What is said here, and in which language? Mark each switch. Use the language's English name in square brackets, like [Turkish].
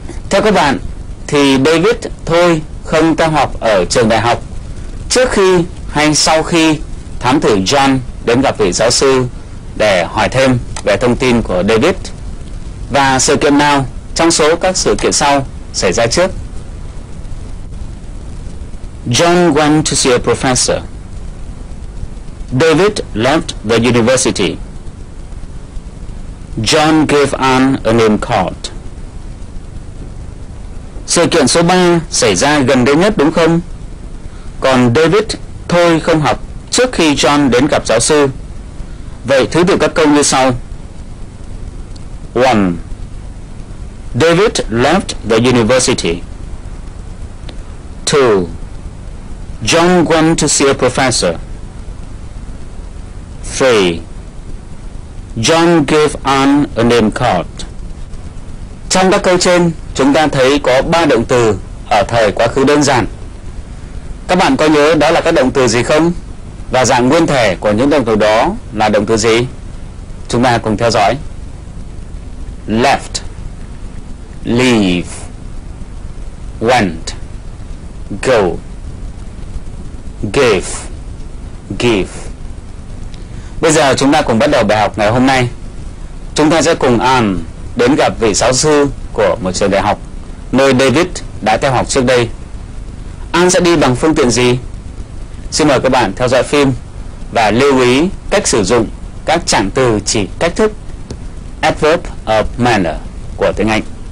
[Vietnamese] Theo các bạn, thì David thôi không theo học ở trường đại học trước khi hay sau khi thám tử John đến gặp vị giáo sư để hỏi thêm về thông tin của David? Và sự kiện nào trong số các sự kiện sau xảy ra trước? [English] John went to see a professor. David left the university. John gave Anne a name card. [Vietnamese] Sự kiện số 3 xảy ra gần đây nhất, đúng không? Còn David thôi không học trước khi John đến gặp giáo sư. Vậy thứ tự các câu như sau. [English] 1. David left the university. 2. John went to see a professor. 3. John gave Anne a name card. [Vietnamese] Trong các câu trên, chúng ta thấy có 3 động từ ở thời quá khứ đơn giản. Các bạn có nhớ đó là các động từ gì không? Và dạng nguyên thể của những động từ đó là động từ gì? Chúng ta cùng theo dõi. [English] Left, leave, went, go, gave, give. [Vietnamese] Bây giờ chúng ta cùng bắt đầu bài học ngày hôm nay. Chúng ta sẽ cùng Anne đến gặp vị giáo sư của một trường đại học nơi David đã theo học trước đây. Anne sẽ đi bằng phương tiện gì? Xin mời các bạn theo dõi phim và lưu ý cách sử dụng các trạng từ chỉ cách thức, adverb of manner của tiếng Anh.